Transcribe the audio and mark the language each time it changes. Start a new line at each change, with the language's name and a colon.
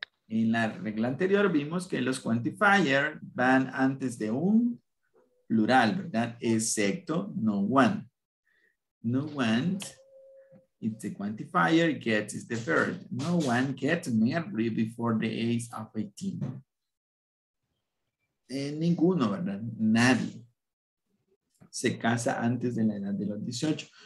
Spanish: En la regla anterior vimos que los quantifier van antes de un plural, ¿verdad? Excepto no one.
English: No want, it's a quantifier, gets the third. No one gets married before the age of 18.
Spanish: Ninguno, ¿verdad? Nadie se casa antes de la edad de los 18.